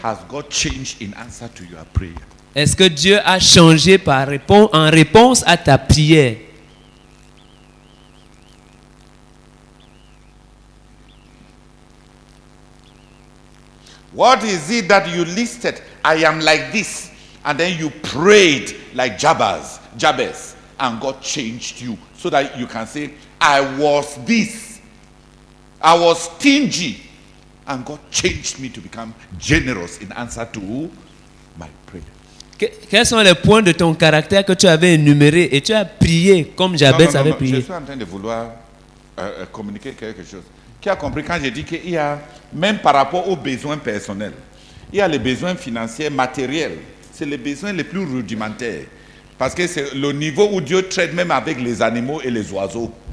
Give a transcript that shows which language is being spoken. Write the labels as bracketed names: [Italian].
[English] Has God changed in answer to your prayer? [French] Est-ce que Dieu a changé en réponse à ta prière? [English] What is it that you listed? I am like this, and then you prayed like Jabez, and God changed you so that you can say, I was this, I was stingy, and God changed me to become generous in answer to my prayer. [French] Quels sont les points de ton caractère que tu avais énuméré et tu as prié comme Jabez avait prié? Je suis en train de vouloir communiquer quelque chose. Tu as compris quand j'ai dit qu'il y a, même par rapport aux besoins personnels, il y a les besoins financiers, matériels. C'est les besoins les plus rudimentaires. Parce que c'est le niveau où Dieu traite même avec les animaux et les oiseaux.